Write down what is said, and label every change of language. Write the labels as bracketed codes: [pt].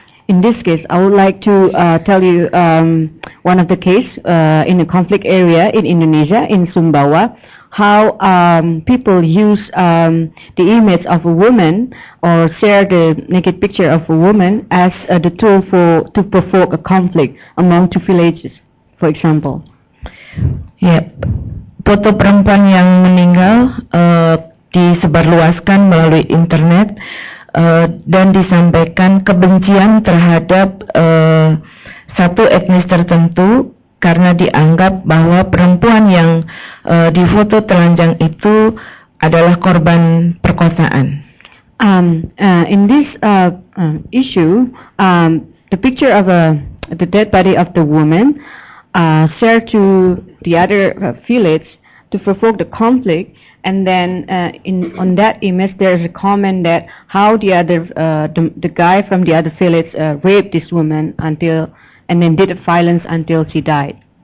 [en] In this case, I would like to tell you one of the case in a conflict area in Indonesia, in Sumbawa, how people use the image of a woman or share the naked picture of a woman as the tool for to provoke a conflict among two villages, for example. Yep. [id] Foto perempuan yang meninggal disebarluaskan melalui internet dan disampaikan kebencian terhadap satu etnis tertentu karena dianggap bahwa perempuan yang difoto telanjang itu adalah korban perkosaan. [en] In this issue, the picture of the dead body of the woman shared to the other village to provoke the conflict. And then on that image, there is a comment that how the other the guy from the other village raped this woman until and then did violence until she died.